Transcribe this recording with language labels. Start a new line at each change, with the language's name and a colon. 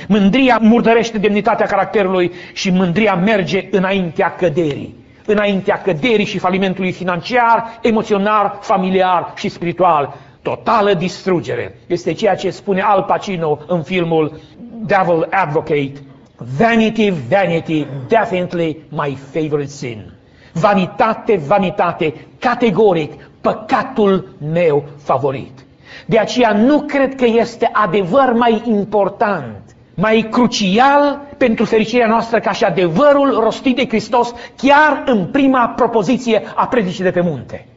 Romanian: Mândria murdărește demnitatea caracterului și mândria merge înaintea căderii. Înaintea căderii și falimentului financiar, emoțional, familiar și spiritual. Totală distrugere. Este ceea ce spune Al Pacino în filmul Devil Advocate.
English: Vanity, vanity, definitely my favorite sin.
Romanian: Vanitate, vanitate, categoric, păcatul meu favorit. De aceea nu cred că este adevăr mai important, mai crucial pentru fericirea noastră ca și adevărul rostit de Hristos chiar în prima propoziție a predicii de pe munte.